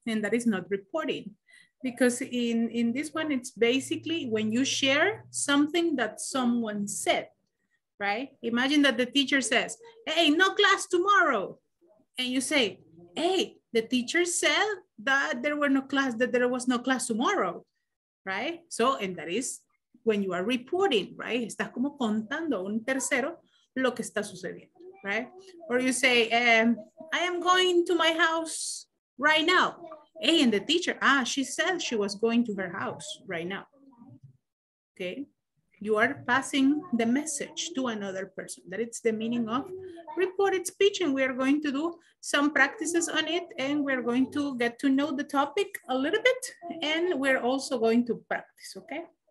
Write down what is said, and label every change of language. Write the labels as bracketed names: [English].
[English] And that is not reporting, because in this one, it's basically when you share something that someone said. Right? Imagine that the teacher says, hey, no class tomorrow. And you say, hey, the teacher said that there was no class tomorrow. Right? So, and that is when you are reporting, right? [Spanish] Estás como contando a un tercero lo que está sucediendo, [English] right? Or you say, I am going to my house right now. Hey, and the teacher, she said she was going to her house right now. Okay? You are passing the message to another person. That it's the meaning of reported speech, and we are going to do some practices on it, and we're going to get to know the topic a little bit, and we're also going to practice, okay?